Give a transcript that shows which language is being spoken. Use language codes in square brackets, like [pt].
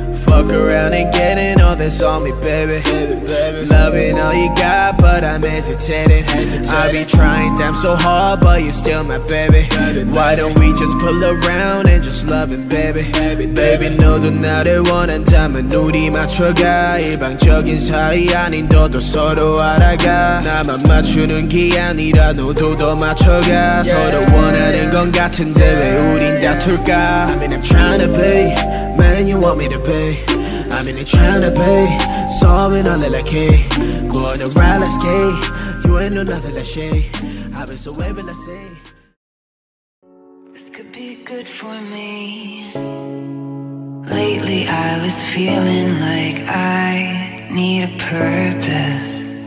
[en] Fuck around and getting all this on me, baby. Loving all you got, but I'm hesitating. I be trying damn so hard, but you're still my baby. Why don't we just pull around and just love it, baby? [ko] Baby, 너도 나를 원한다면 눈이 맞춰가. 일방적인 사이 아닌 너도 서로 알아가. 나만 맞추는 게 아니라 너도 더 맞춰가. 서로 원하는 건 같은데 왜 우린 다툴까? [en] I mean, I'm trying to be, man, you want me to be. I mean, I'm trying to be, solving all the key. Go on a roller skate, you ain't no nothing like shade. I've been so wavy, let's say. This could be good for me. Lately, I was feeling like I need a purpose.